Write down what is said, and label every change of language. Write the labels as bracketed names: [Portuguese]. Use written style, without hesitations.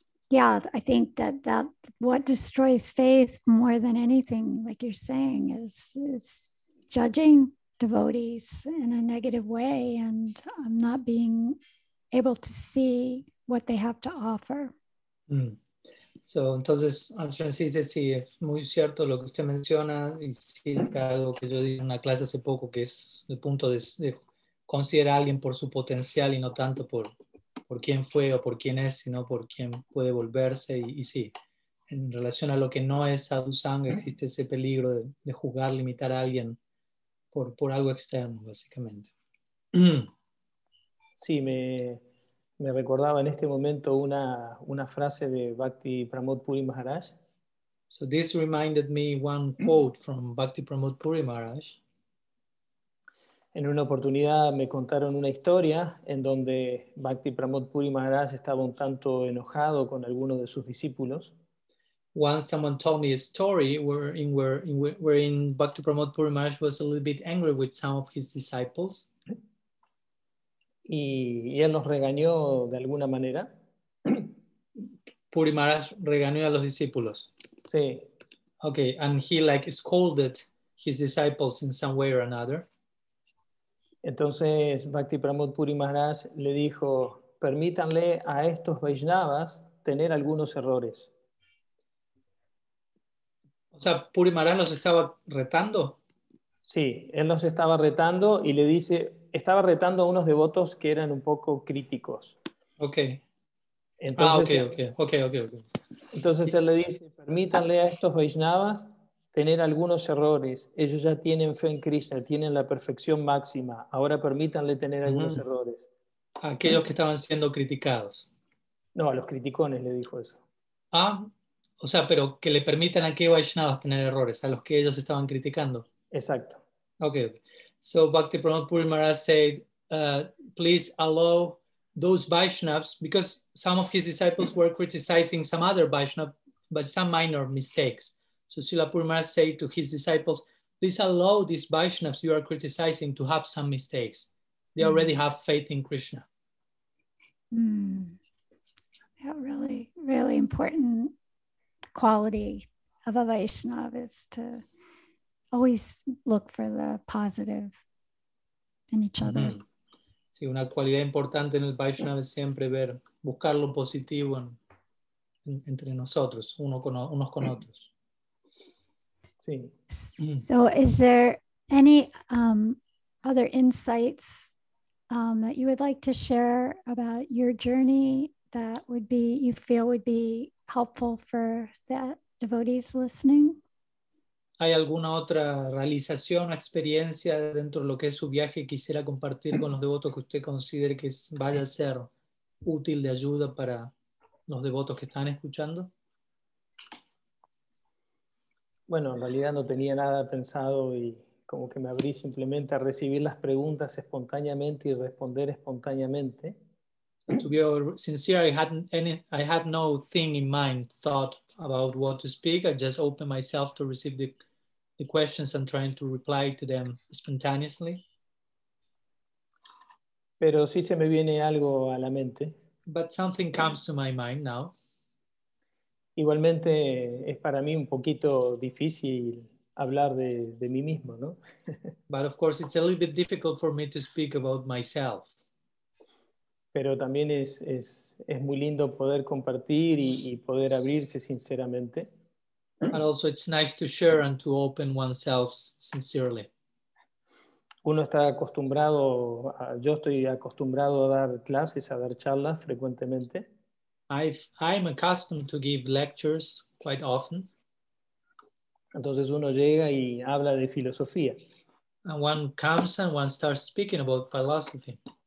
[English] Yeah, I think that what destroys faith more than anything, like you're saying, is judging devotees in a negative way and not being able to see what they have to offer. Mm. [Spanish] So, entonces, Arjun sí dice, sí, es muy cierto lo que usted menciona, y sí, algo que yo di en una clase hace poco, que es el punto de considerar a alguien por su potencial y no tanto por quién fue o por quién es, sino por quién puede volverse, y sí, en relación a lo que no es sadhusang, existe ese peligro de juzgar, limitar a alguien por algo externo, básicamente. Sí, me recordaba en este momento una frase de Bhakti Pramod Puri Maharaj. [English] So this reminded me one quote from Bhakti Pramod Puri Maharaj. [Spanish] En una oportunidad me contaron una historia en donde Bhakti Pramod Puri Maharaj estaba un tanto enojado con alguno de sus discípulos. [English] Once someone told me a story wherein Bhakti Pramod Puri Maharaj was a little bit angry with some of his disciples. [Spanish] Y él los regañó de alguna manera. Puri Maharaj regañó a los discípulos. Sí. [English] Okay, and he like scolded his disciples in some way or another. [Spanish] Entonces Bhakti Pramod Puri Maharaj le dijo, permítanle a estos Vaishnavas tener algunos errores. O sea, Puri Maharaj los estaba retando. Sí, él los estaba retando y le dice, estaba retando a unos devotos que eran un poco críticos. Okay. Entonces, entonces él le dice, permítanle a estos Vaishnavas tener algunos errores. Ellos ya tienen fe en Krishna, tienen la perfección máxima. Ahora permítanle tener algunos errores. Aquellos que estaban siendo criticados. No, a los criticones le dijo eso. Ah, o sea, pero que le permitan a qué Vaishnavas tener errores, a los que ellos estaban criticando. Exacto. [English] Okay. So Bhakti Pramod Puri Maharaj said, please allow those Vaishnavas, because some of his disciples were criticizing some other Vaishnav, but some minor mistakes. So Srila Puri Maharaj said to his disciples, please allow these Vaishnavas you are criticizing to have some mistakes. They already have faith in Krishna. Mm. Yeah, really, really important quality of a Vaishnav is to always look for the positive in each other. [Spanish] Sí, una cualidad importante en el Vaishnava es siempre ver, buscar lo positivo entre nosotros, unos con otros. Sí. [English] So is there any other insights that you would like to share about your journey that would be, you feel would be helpful for the devotees listening? [Spanish] ¿Hay alguna otra realización o experiencia dentro de lo que es su viaje que quisiera compartir con los devotos que usted considere que vaya a ser útil de ayuda para los devotos que están escuchando? Bueno, en realidad no tenía nada pensado y como que me abrí simplemente a recibir las preguntas espontáneamente y responder espontáneamente. [English] To be sincere, I had no thing in mind, thought about what to speak. I just opened myself to receive the questions and trying to reply to them spontaneously. [Spanish] Pero sí se me viene algo a la mente. [English] But something comes to my mind now. [Spanish] Igualmente es para mí un poquito difícil hablar de mí mismo, ¿no? [English] But of course it's a little bit difficult for me to speak about myself. [Spanish] Pero también es muy lindo poder compartir y poder abrirse sinceramente. [English] And also it's nice to share and to open oneself sincerely. [Spanish] Uno está acostumbrado, yo estoy acostumbrado a dar clases, a dar charlas frecuentemente. [English] I'm accustomed to give lectures quite often. [Spanish] Entonces uno llega y habla de filosofía. [English] And one comes and one starts speaking about philosophy.